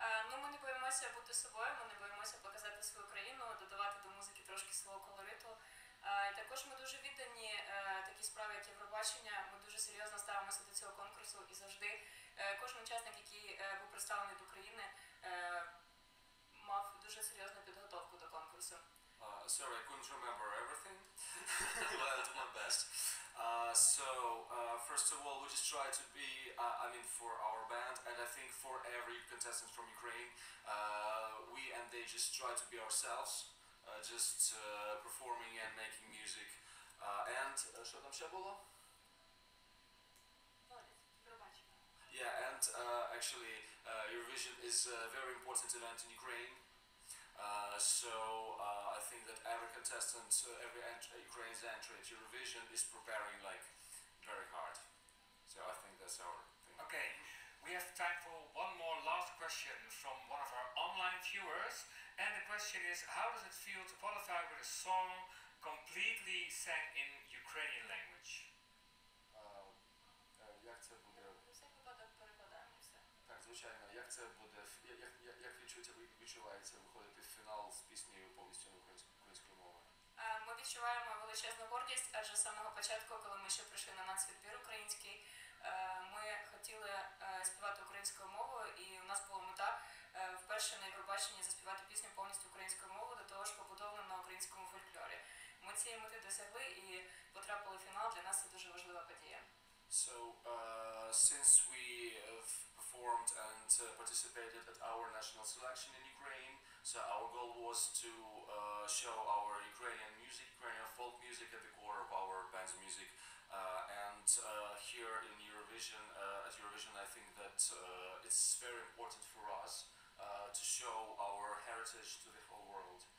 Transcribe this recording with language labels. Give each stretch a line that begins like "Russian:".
Ukrainian: Ну, ми не боїмося бути собою, ми не боїмося показати свою країну, додавати до музики трошки свого колориту. Також ми дуже віддані такій справі, як Євробачення. Ми дуже серйозно ставимося до цього конкурсу і завжди кожен учасник, який був представлений до України, мав дуже серйозну підготовку до конкурсу.
English: Sorry, I couldn't remember everything, but I did my best. First of all, we just try to be, for our band, and I think for every contestant from Ukraine, we and they just try to be ourselves. Just performing and making music.
Ukrainian: Що там ще було?
English: Yeah, and actually Eurovision is a very important event in Ukraine. I think that every contestant, every Ukraine's entry at Eurovision is preparing like very hard. So I think that's our thing. Okay, we have time for one more last question from one of our online viewers, and the question is, how does it feel to qualify with a song completely sang in Ukrainian language?
Ukrainian: Як це буде? Все випадок перекладаємо все. Так, звичайно. Як це буде? Як відчуття відчувається виходити в фінал з піснею повністю на українською мовою? Ми відчуваємо величезну гордість, адже з самого початку, коли ми ще прийшли на нацвідбір український, ми хотіли співати українською мовою, і у нас була мета вперше на Євробаченні заспівати пісню повністю українською мовою, до того ж побудовану на українському фольклорі. Ми цієї мети досягли і потрапили в фінал. Для нас це дуже важлива подія.
English: So, since we have performed and participated at our national selection in Ukraine, so our goal was to show our Ukrainian music, Ukrainian folk music at the core of our band's music. And here in Eurovision, at Eurovision, I think that it's very important for us to show our heritage to the whole world.